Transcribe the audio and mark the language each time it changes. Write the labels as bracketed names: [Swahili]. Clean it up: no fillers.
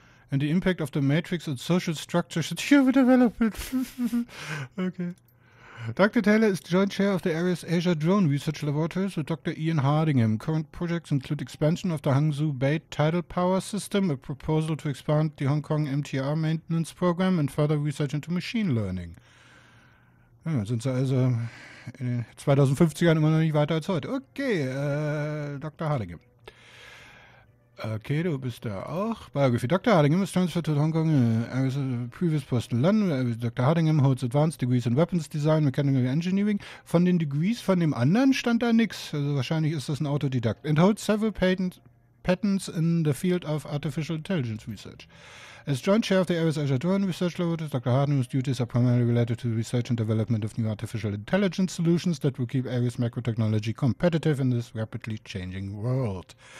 [English] And the impact of the matrix on social structures and human development. Okay. Dr. Taylor is joint chair of the Ares Asia Drone Research Laboratories with Dr. Ian Hardingham. Current projects include expansion of the Hangzhou Bay Tidal Power System, a proposal to expand the Hong Kong MTR maintenance program, and further research into machine learning. [German] Ja, sind sie also in den 2050ern immer noch nicht weiter als heute. [English] Okay, Dr. Hardingham. Okay, [German] du bist da auch. [English] Biography. Dr. Hardingham is transferred to Hong Kong. Ares previous post in London. Dr. Hardingham holds advanced degrees in Weapons Design, Mechanical Engineering. [German] Von den Degrees von dem anderen stand da nichts. Also wahrscheinlich ist das ein Autodidakt. [English] And holds several patents in the field of artificial intelligence research. As joint chair of the Ares Asia Drone Research Laboratory, Dr. Hardingham's duties are primarily related to the research and development of new artificial intelligence solutions that will keep Ares macro technology competitive in this rapidly changing world.